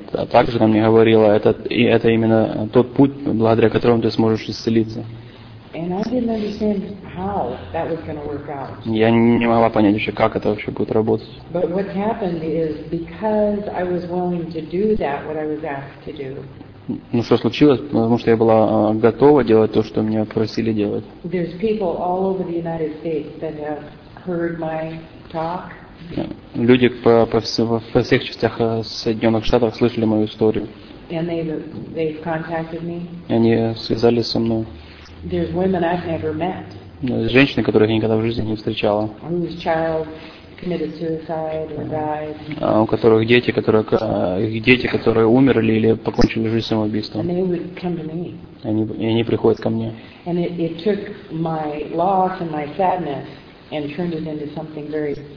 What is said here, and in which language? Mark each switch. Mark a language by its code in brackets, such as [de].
[ru] Также она мне говорила, это именно тот путь, благодаря которому ты сможешь исцелиться. [en] And I didn't understand how that was going to work out. [ru] Я не могла понять еще, как это вообще будет работать. [en] But what happened is because I was willing to do that, what I was asked to do. [ru] Ну что случилось? Потому что я была готова делать то, что меня просили делать. [en] There's people all over the United States that have heard my talk. [ru] Люди по всех частях Соединенных Штатов слышали мою историю. [en] And they've contacted me. [ru] Они связались со мной. [en] There's women I've never met. [ru] Женщины, которых я никогда в жизни не встречала. [en] Whose child committed suicide or died. [ru] У которых дети, которые умерли или покончили жизнь самоубийством. [en] And they would come to me. [ru] Они приходят ко мне. [en] And it took my loss and my sadness and turned it into something very